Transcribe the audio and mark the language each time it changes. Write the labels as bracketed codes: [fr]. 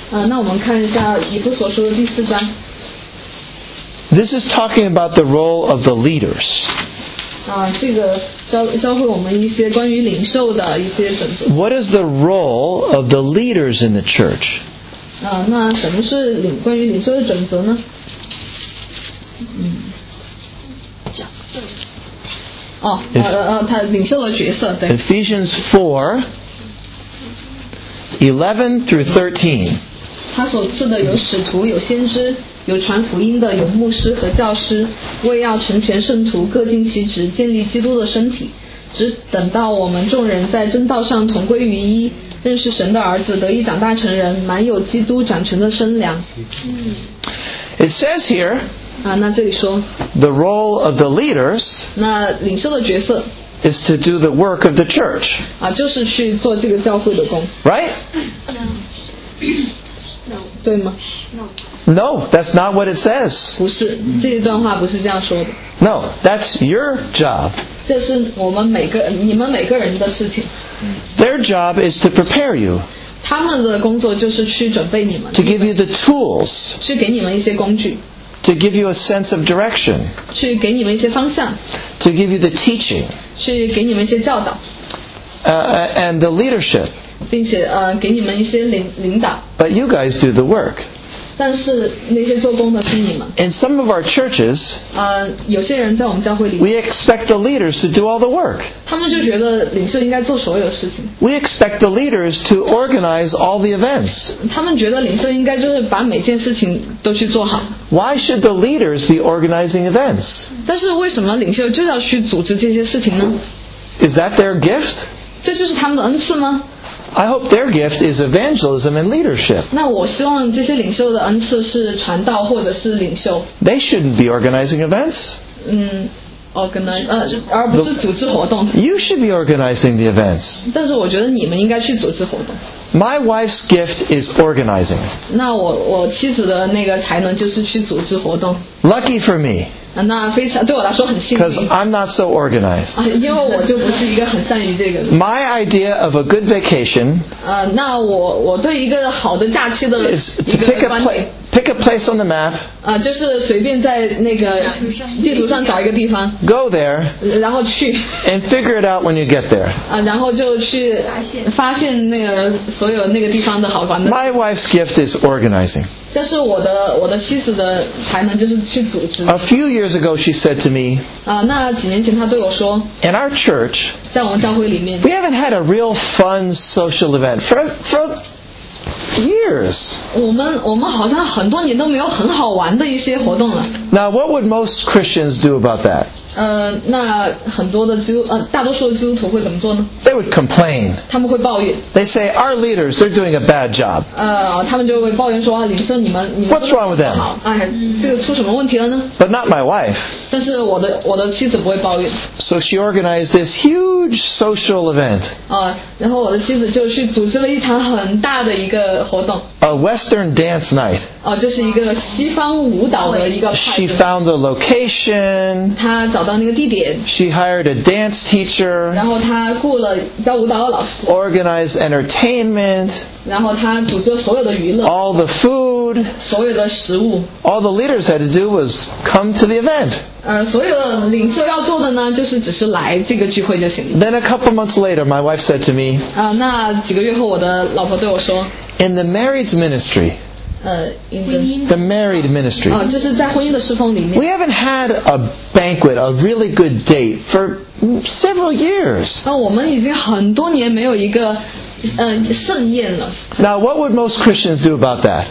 [zh] 那我们看一下以弗所书的第四章。 [en] This is talking about the role of the leaders. [zh] 这个教会我们一些关于领袖的一些准则。 [en] What is the role of the leaders in the church? [zh] 那什么是关于领袖的准则呢？角色。他领袖的角色，对。 [en] Ephesians 4:11-13. [zh] 他所赐的有使徒，有先知。有传福音的，有牧师和教师，为要成全圣徒，各尽其职，建立基督的身体，只等到我们众人在真道上同归于一，认识神的儿子，得以长大成人，满有基督长成的身量。 [en] It says here, [zh] 那这里说 [en] the role of the leaders, [zh] 那领袖的角色 [en] is to do the work of the church, [zh] 就是去做这个教会的工 [en] right? No. [zh] 对吗 [en] No. No, that's not what it says. [zh] 不是，这一段话不是这样说的。 [en] No, that's your job. [zh] 这是你们每个人的事情。 [en] Their job is to prepare you. [zh] 他们的工作就是去准备你们。 [en] To give you the tools. [zh] 去给你们一些工具。 [en] To give you a sense of direction. [zh] 去给你们一些方向。 [en] To give you the teaching. [zh] 去给你们一些教导。 [en] And the leadership. [zh] 并且给你们一些领导。 [en] But you guys do the work. [zh] 但是那些做工的是你们。 [en] In some of our churches, [zh] 有些人在我们教会里。 [en] We expect the leaders to do all the work. [zh] 他们就觉得领袖应该做所有事情。 [en] We expect the leaders to organize all the events. [zh] 他们觉得领袖应该就是把每件事情都去做好。 [en] Why should the leaders be organizing events? [zh] 但是为什么领袖就要去组织这些事情呢 [en] ？Is that their gift? [zh] 这就是他们的恩赐吗？ [en] I hope their gift is evangelism and leadership. [zh] 那我希望这些领袖的恩赐是传道或者是领袖。 [en] They shouldn't be organizing events. [zh] Organize, 而不是组织活动。 [en] You should be organizing the events. [zh] 但是我觉得你们应该去组织活动。 [en] My wife's gift is organizing. [zh] 那我妻子的那个才能就是去组织活动。 [en] Lucky for me. [zh] 那非常对我来说很幸运。 [en] Because I'm not so organized. [zh] 因为我就不是一个很善于这个。 [en] My idea of a good vacation. [zh] 那我对一个好的假期的一个观点。 [en] Pick a place on the map. [zh] 就是随便在那个地图上找一个地方。 [en] Go there. [zh] 然后去。 [en] And figure it out when you get there. [zh] 然后就去发现那个所有那个地方的好玩的。 [en] My wife's gift is organizing. [zh] 但是我的妻子的才能就是去组织。 [en] A few years ago, she said to me. [zh] 那几年前她对我说。 [en] In our church. [zh] 在我们教会里面。 [en] We haven't had a real fun social event for. Years. [zh] 我们好像很多年都没有很好玩的一些活动了。 [en] Now, what would most Christians do about that? [zh] 那很多的基督大多数的基督徒会怎么做呢？ [en] They would complain. [zh] 他们会抱怨。 [en] They say our leaders, they're doing a bad job. [zh] 他们就会抱怨说啊，领袖你们 [en] What's wrong with them? [zh] 这个出什么问题了呢？ [en] But not my wife. [zh] 但是我的妻子不会抱怨。 [en] So she organized this huge social event. [zh] 然后我的妻子就去组织了一场很大的一个。 [en] A Western dance night. [zh] 就是一个西方舞蹈的一个派对。 [en] She found the location. [zh] 她找到那个地点。 [en] She hired a dance teacher. [zh] 然后她雇了教舞蹈的老师。 [en] Organized entertainment. [zh] 然后她组织所有的娱乐。 [en] All the food. [zh] 所有的食物。 [en] All the leaders had to do was come to the event. [zh] 所有领袖要做的呢，就是只是来这个聚会就行了。 [en] Then a couple months later, my wife said to me. [zh] 那几个月后，我的老婆对我说。 [en] In the married ministry, the married ministry, [zh] 就是在婚姻的侍奉里面。 [en] We haven't had a banquet, a really good date for several years. [zh] 我们已经很多年没有一个盛宴了。 [en] Now, what would most Christians do about that?